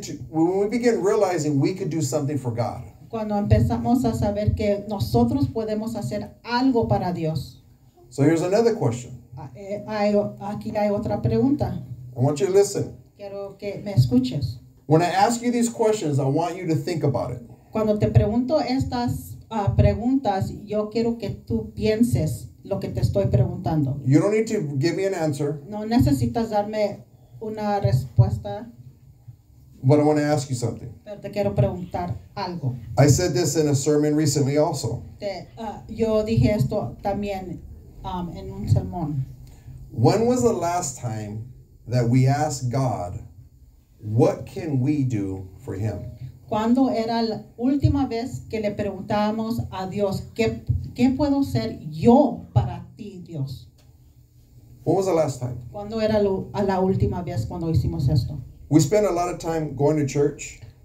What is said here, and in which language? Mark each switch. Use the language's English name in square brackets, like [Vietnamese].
[English] When we begin realizing we could do something for God. [Spanish] Cuando empezamos a saber que nosotros podemos hacer algo para Dios. [English] So here's another question. [Spanish] Aquí hay otra pregunta. [English] I want you to listen. [Spanish] Quiero que me escuches. [English] When I ask you these questions, I want you to think about it. [Spanish] Cuando te pregunto estas preguntas, yo quiero que tú pienses lo que te estoy preguntando. [English] You don't need to give me an answer. [Spanish] No necesitas darme una respuesta. [English] But I want to ask you something. [Spanish] Pero te quiero preguntar algo. [English] I said this in a sermon recently also. [Spanish] Yo dije esto también. En un sermón. [English] When was the last time that we asked God, what can we do for him? [Spanish] ¿Cuándo era la última vez que le preguntábamos a Dios, ¿qué puedo ser yo para ti, Dios? [English] When was the last time? [Spanish] ¿Cuándo era la última vez cuando hicimos esto? [English] We spend a lot of time going to church.